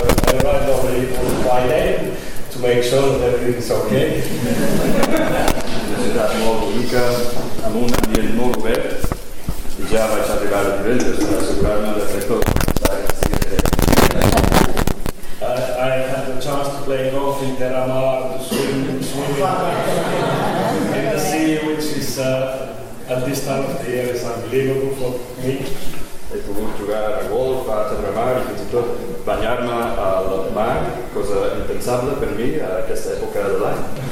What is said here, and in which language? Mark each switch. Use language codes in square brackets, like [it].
[en] I arrived already on Friday to make sure that everything's okay. [ca] Una ciutat molt bonica, amb un ambient molt obert, i ja vaig arribar a divendres per assegurar-me de fer tot. [en] I had the chance to play golf in Terramar, swimming in the sea, which is at this time of the year is unbelievable for me. [ca] He pogut jugar a golf, a Terramar i fins i tot banyar-me al mar, cosa impensable per mi a aquesta època de l'any.